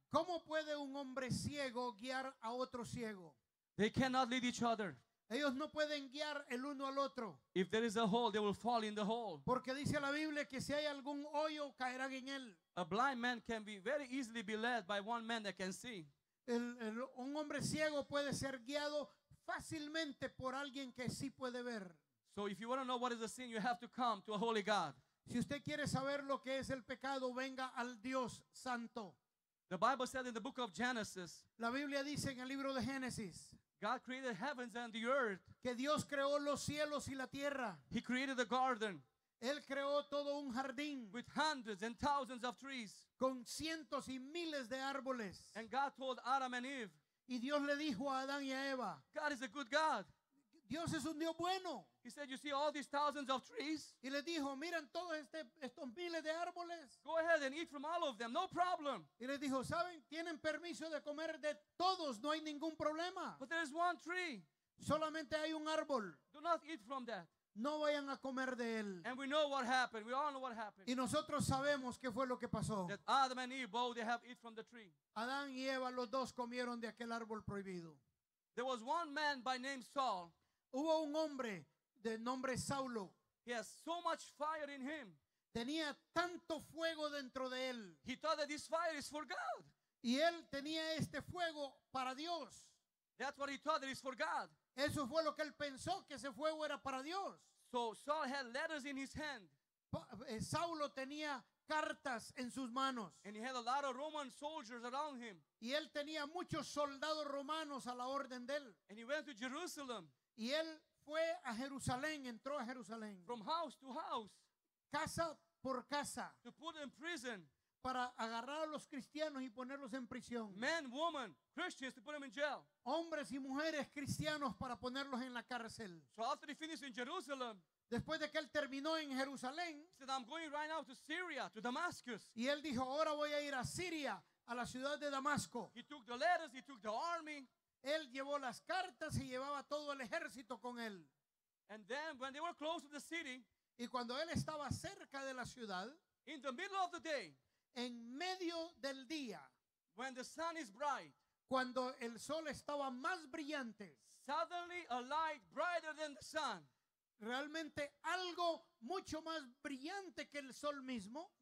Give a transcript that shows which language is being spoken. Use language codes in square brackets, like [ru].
[es] ¿Cómo puede un hombre ciego guiar a otro ciego? [en] They cannot lead each other. [es] Ellos no pueden guiar el uno al otro. [en] If there is a hole, they will fall in the hole. [es] Porque dice la Biblia que si hay algún hoyo, caerán en él. [en] A blind man can be very easily be led by one man that can see. [es] Un hombre ciego puede ser guiado fácilmente por alguien que sí puede ver. [en] So if you want to know what is a sin, you have to come to a holy God. [es] Si usted quiere saber lo que es el pecado, venga al Dios Santo. [en] The Bible said in the book of Genesis. [es] La Biblia dice en el libro de Génesis. [en] God created heavens and the earth. [es] Que Dios creó los cielos y la tierra. [en] He created a garden. [es] Él creó todo un jardín. [en] With hundreds and thousands of trees. [es] Con cientos y miles de árboles. [en] And God told Adam and Eve. [es] Y Dios le dijo a Adán y a Eva. [en] God is a good God. [es] Dios es un Dios bueno. [en] He said, "You see all these thousands of trees?" [es] Y le dijo, miren todos estos miles de árboles. [en] Go ahead and eat from all of them, no problem. [es] Y le dijo, saben, tienen permiso de comer de todos, no hay ningún problema. [en] But there is one tree. [es] Solamente hay un árbol. [en] Do not eat from that. [es] No vayan a comer de él. [en] And we know what happened. We all know what happened. [es] Y nosotros sabemos qué fue lo que pasó. [en] That Adam and Eve both they have eaten from the tree. [es] Adán y Eva los dos comieron de aquel árbol prohibido. [en] There was one man by name Saul. [es] Hubo un hombre de nombre Saulo. [en] He has so much fire in him. [es] Tenía tanto fuego dentro de él. [en] He thought that this fire is for God. [es] Y él tenía este fuego para Dios. [en] That's what he thought that is for God. [es] Eso fue lo que él pensó, que ese fuego era para Dios. [en] So Saul had letters in his hand. [es] Saulo tenía cartas en sus manos. [en] And he had a lot of Roman soldiers around him. [es] Y él tenía muchos soldados romanos a la orden de él. [en] And he went to Jerusalem. [es] Y él fue a Jerusalén, entró a Jerusalén. [en] From house to house. [es] Casa por casa. [en] To put in prison. [es] Para agarrar a los cristianos y ponerlos en prisión. [en] Men, women, Christians, to put them in jail. [es] Hombres y mujeres cristianos para ponerlos en la cárcel. [en] So after he finished in Jerusalem. [es] Después de que él terminó en Jerusalén. [en] He said, I'm going right now to Syria, to Damascus. [es] Y él dijo, ahora voy a ir a Siria, a la ciudad de Damasco. [en] He took the letters, he took the army. [es] Él llevó las cartas y llevaba todo el ejército con él. [en] And then, when they were close to the city, [es] y cuando él estaba cerca de la ciudad, [en] in the middle of the day, [es] en medio del día, [en] when the sun is bright, [es] cuando el sol estaba más brillante, [en] suddenly a light brighter than the sun, [es] realmente algo mucho más brillante que el sol mismo,